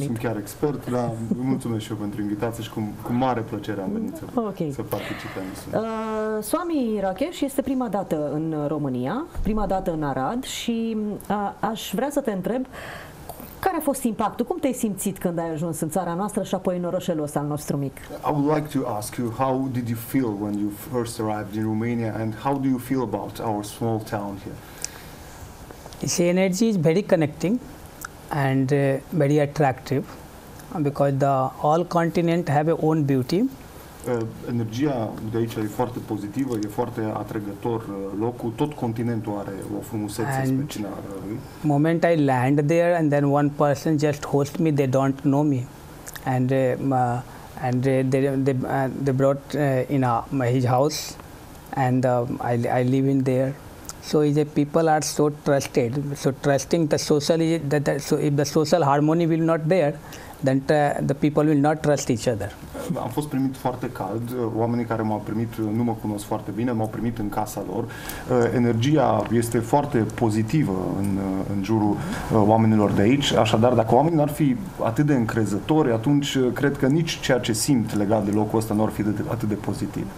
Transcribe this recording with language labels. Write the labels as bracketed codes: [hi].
[ro] Nu sunt chiar expert, dar mulțumesc și eu pentru invitație și cu mare plăcere am venit. Okay. Să participăm. Swami Rakesh este prima dată în România, prima dată în Arad și aș vrea să te întreb care a fost impactul, cum te-ai simțit când ai ajuns în țara noastră și apoi în orășelul ăsta al nostru mic? [en] I would like to ask you, how did you feel when you first arrived in Romania and how do you feel about our small town here? This energy is very connecting and very attractive because the all continent have a own beauty. [ro] Energia de aici e foarte pozitivă, e foarte atrăgător locul, tot continentul are o frumusețe specială. [en] Moment I land there and then one person just host me, they don't know me. And they brought in his house and I live in there. So the people are so trusted, so trusting the social is that so if the social harmony will not there, then the people will not trust each other. [ro] Am fost primit foarte cald, oamenii care m-au primit nu mă cunosc foarte bine, m-au primit în casa lor. Energia este foarte pozitivă în jurul oamenilor de aici, așadar dacă oamenii n-ar fi atât de încrezători, atunci cred că nici ceea ce simt legat de locul ăsta n-ar fi atât de pozitiv.